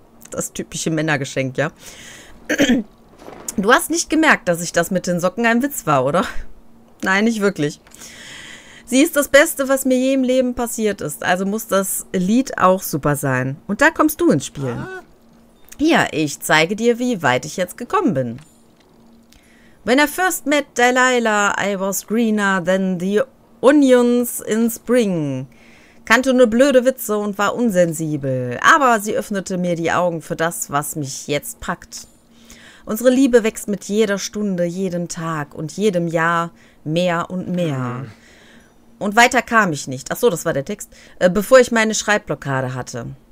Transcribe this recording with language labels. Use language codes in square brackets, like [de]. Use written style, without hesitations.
[de] Das typische Männergeschenk, ja. Du hast nicht gemerkt, dass ich das mit den Socken ein Witz war, oder? Nein, nicht wirklich. Sie ist das Beste, was mir je im Leben passiert ist. Also muss das Lied auch super sein. Und da kommst du ins Spiel. Hier, ich zeige dir, wie weit ich jetzt gekommen bin. [en] When I first met Delilah, I was greener than the onions in spring. [de] Kannte nur blöde Witze und war unsensibel. Aber sie öffnete mir die Augen für das, was mich jetzt packt. Unsere Liebe wächst mit jeder Stunde, jedem Tag und jedem Jahr mehr und mehr. Und weiter kam ich nicht. Ach so, das war der Text. Bevor ich meine Schreibblockade hatte.